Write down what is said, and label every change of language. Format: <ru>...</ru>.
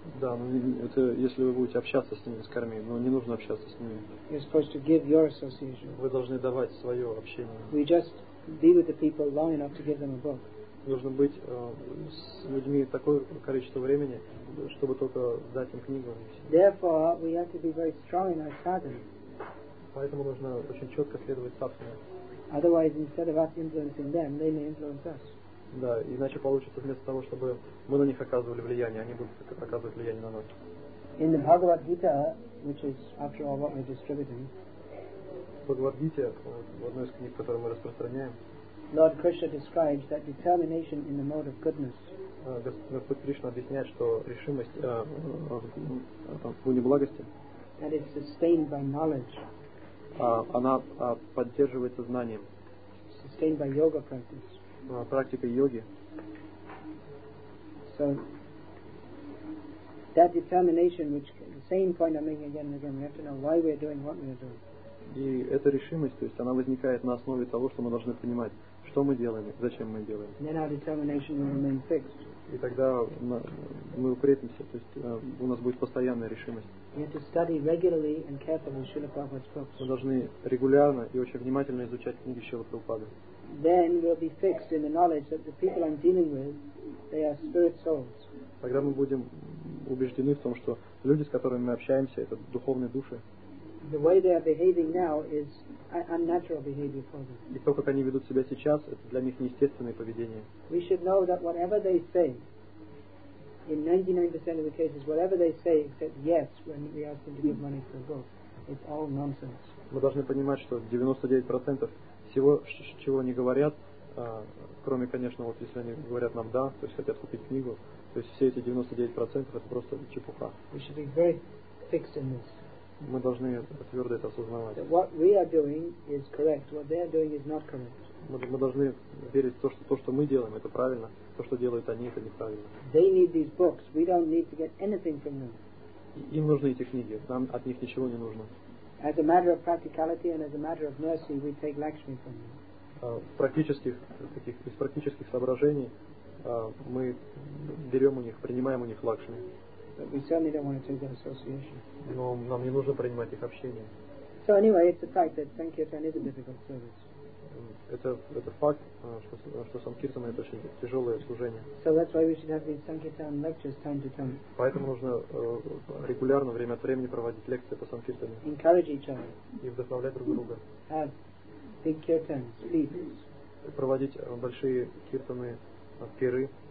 <ru>Да, но это если вы будете общаться с ними, с кармией, но не нужно общаться с ними.</ru> <en>You're supposed to give your association.</en> <ru>Вы должны давать свое общение.</ru> <en>We just be with the people long enough to give them a book.</en> <ru>Нужно быть с людьми такое количество времени, чтобы только дать им книгу.</ru> <en>Therefore, we have to be very strong in our sadhana.</en> <ru>Поэтому нужно очень четко следовать садхане.</ru> <en>Otherwise, instead of us influencing them, they may influence us.</en> <ru>Да, иначе получится вместо того, чтобы мы на них оказывали влияние, они будут оказывать влияние на нас.</ru> <en>In the Bhagavad Gita, which is after all what we're distributing,</en> <ru>Bhagavad Gita, в одной из книг, которую мы распространяем,</ru> <en>Lord Krishna describes that determination in the mode of goodness.</en> <ru>Господь Кришна объясняет, что решимость в неблагости,</ru> <en>that is sustained by knowledge.</en> <ru>Она поддерживается знанием.</ru> <en>Sustained by yoga practice.</en> <ru>Практика йоги.</ru> <en>So that determination, which the same point I'm making again and again, we have to know why we're doing what we're doing.</en> <ru>И эта решимость, то есть она возникает на основе того, что мы должны понимать, что мы делаем, зачем мы делаем.</ru> <en>And then our determination will remain fixed.</en> <ru>И тогда мы укрепимся, то есть у нас будет постоянная решимость.</ru> <en>We have to study regularly and carefully Srila Prabhupada's books.</en> <ru>Мы должны регулярно и очень внимательно изучать книги Шрилы Прабхупады.</ru> <en>Then we'll be fixed in the knowledge that the people I'm dealing with, they are spirit souls.</en> <ru>Тогда мы будем убеждены в том, что люди, с которыми мы общаемся, это духовные души.</ru> <en>The way they are behaving now is unnatural behavior for them.</en> <ru>И то, как они ведут себя сейчас, это для них неестественное поведение.</ru> <en>We should know that whatever they say, in 99% of the cases, whatever they say except yes, when we ask them to give money for a book, it's all nonsense.</en> <ru>Мы должны понимать, что 99% всего, чего они говорят, кроме, конечно, вот если они говорят нам «да», то есть хотят купить книгу, то есть все эти 99% это просто чепуха.</ru> <en>We should be very fixed in this.</en> <ru>Мы должны твердо это осознавать.</ru> <en>That what we are doing is correct, what they are doing is not correct.</en> <ru>Мы должны верить в то, что мы делаем, это правильно, то, что делают они, это неправильно.</ru> <en>They need these books, we don't need to get anything from them.</en> <ru>Им нужны эти книги, нам от них ничего не нужно.</ru> <en>As a matter of practicality and as a matter of mercy, we take Lakshmi from them.</en> <ru>Из практических соображений мы берем у них, принимаем у них Лакшми.</ru> <en>But we certainly don't want to take their association.</en> <ru>Но нам не нужно принимать их общение.</ru> <en>So anyway, it's a fact that Sankirtan is a difficult service.</en> <ru>это факт, что санкиртана — это очень тяжелое служение.</ru> <en>So that's why we should have these sankirtan lectures time to time.</en> <ru>Поэтому нужно регулярно время от времени проводить лекции по санкиртане.</ru> <en>Encourage each other.</en> <ru>И вдохновлять друг друга.</ru> <en>Have big kirtans, feet.</en> <ru>Проводить большие киртаны, пиры.</ru>